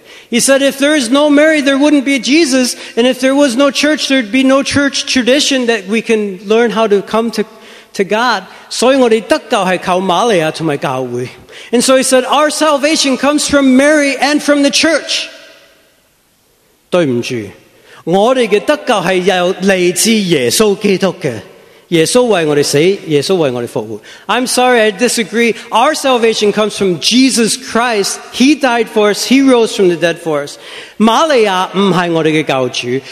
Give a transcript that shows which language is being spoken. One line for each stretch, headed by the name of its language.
English: he said, if there is no Mary, there wouldn't be Jesus, and if there was no church, there'd be no church tradition that we can learn how to come to God.
Chinese: 所以我们得救是靠玛利亚和教会.
English: And so he said, our salvation comes from Mary and from the church.
Chinese: 对不起, 我们的得救是来自耶稣基督的. 耶稣为我们死,
English: I'm sorry, I disagree. Our salvation comes from Jesus Christ. He died for us. He rose from the dead for us.
Chinese: 玛利亚不是我们的教主,